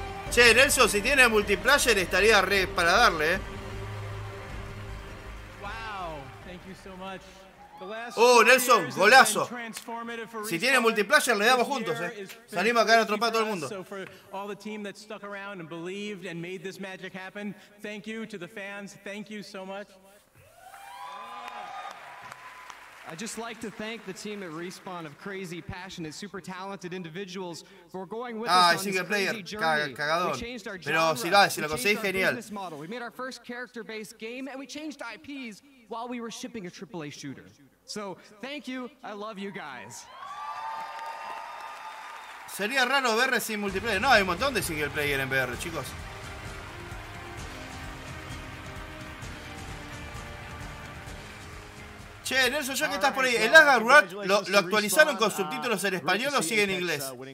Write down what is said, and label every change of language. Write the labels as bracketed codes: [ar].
[es] Che, Nelson, si tiene multiplayer estaría re para darle, ¿eh? [en] Wow, thank you so much. [es] Oh, Nelson, golazo. Si tiene multiplayer le damos juntos, ¿eh? Salimos a caer a trompa a todo el mundo. [en] So for all the team that stuck around and believed and made this magic happen, thank you to the fans, thank you so much. I'd just like to thank the team at Respawn of crazy, passionate, super talented individuals for going with us on this crazy journey. [es] Cagadón. [en] We changed our genre, we changed our business model, we made our first character-based game, and we changed IPs while we were shipping a AAA shooter. So, thank you, I love you guys. [es] Sería raro VR sin multiplayer. No, hay un montón de single player en VR, chicos. Che, Nelson, ya que estás por ahí, el Asgard Rock lo actualizaron con subtítulos en español o sigue en inglés.